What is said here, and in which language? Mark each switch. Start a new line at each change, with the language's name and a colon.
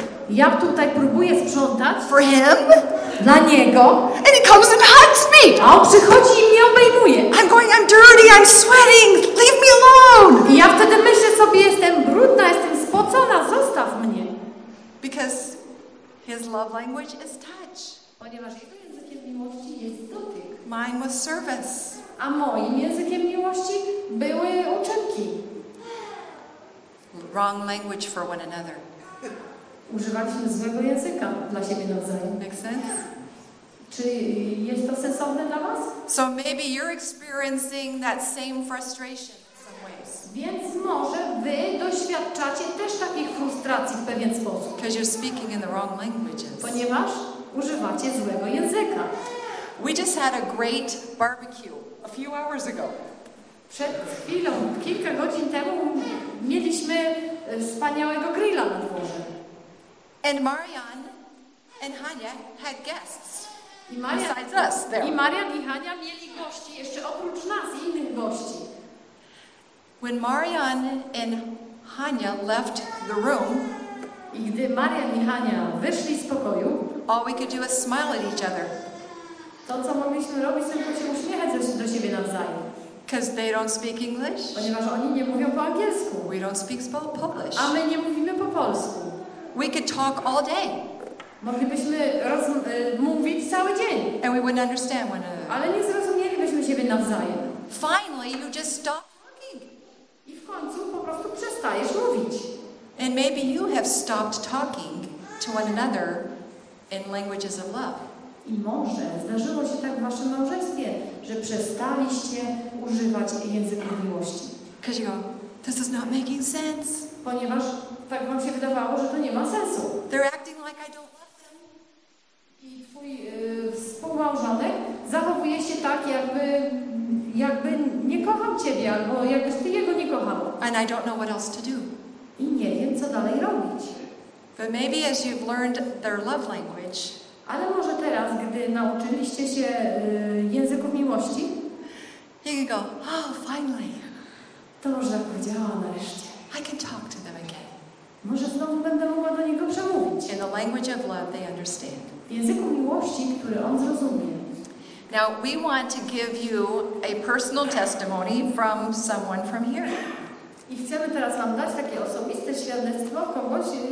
Polish: Ja tutaj próbuję sprzątać.
English: For him.
Polish: Dla niego.
English: And he comes and hugs me.
Polish: A on przychodzi i mnie obejmuje.
English: I'm going, I'm dirty, I'm sweating, leave me alone.
Polish: I ja wtedy myślę sobie, jestem brudna, jestem spocona, zostaw mnie.
English: Because his love language is touch.
Polish: Ponieważ jego językiem miłości jest dotyk.
English: Mine was service.
Polish: A moim językiem miłości były uczynki.
English: Wrong language for one another.
Polish: Używaliśmy złego języka dla siebie nawzajem.
English: Make sense?
Polish: Czy jest to sensowne dla was?
English: So maybe you're experiencing that same frustration in some ways.
Polish: Więc może wy doświadczacie też takich frustracji w pewien sposób.
English: Because you're speaking in the wrong languages.
Polish: Ponieważ używacie złego języka.
English: We just had a great barbecue a few hours ago.
Polish: Przed chwilą, kilka godzin temu, mieliśmy wspaniałego grilla na dworze.
English: And Marianne and Hania had guests.
Polish: I Marian,
English: besides us, there.
Polish: I Marian i Hania mieli gości jeszcze oprócz nas i innych gości.
English: When Marianne and Hania left the room,
Polish: i gdy Marian i Hania wyszli z pokoju,
English: all we could do was smile at each other.
Polish: To, co mogliśmy robić, tylko się uśmiechać do siebie nawzajem.
English: Because they don't speak English.
Polish: Ponieważ oni nie mówią po angielsku.
English: We don't speak Polish.
Polish: A my nie mówimy po polsku.
English: We could talk all day.
Polish: Moglibyśmy mówić cały dzień.
English: And we wouldn't understand one another.
Polish: Ale nie zrozumielibyśmy siebie nawzajem.
English: Finally, you just stop talking.
Polish: I w końcu po prostu przestajesz mówić.
English: And maybe you have stopped talking to one another in languages of love.
Polish: I może zdarzyło się tak w waszym małżeństwie, że przestaliście używać języka miłości.
English: Because you go, this is not making sense.
Polish: Ponieważ tak wam się wydawało, że to nie ma sensu.
English: They're acting like I don't love them.
Polish: I twój współmałżonek zachowuje się tak, jakby nie kochał ciebie, albo jakbyś ty jego nie kochał.
English: And I don't know what else to do.
Polish: I nie wiem, co dalej robić.
English: But maybe as you've learned their love language,
Polish: ale może teraz, gdy nauczyliście się języków miłości,
English: you can go, oh, finally.
Polish: To można powiedziała nareszcie.
English: I can talk to them again.
Polish: Może znowu będę mogła do niego przemówić.
English: In the language of love, they understand.
Polish: W języku miłości, który on zrozumie.
English: Now, we want to give you a personal testimony from someone from here.
Polish: I chcemy teraz wam dać takie osobiste świadectwo kogoś,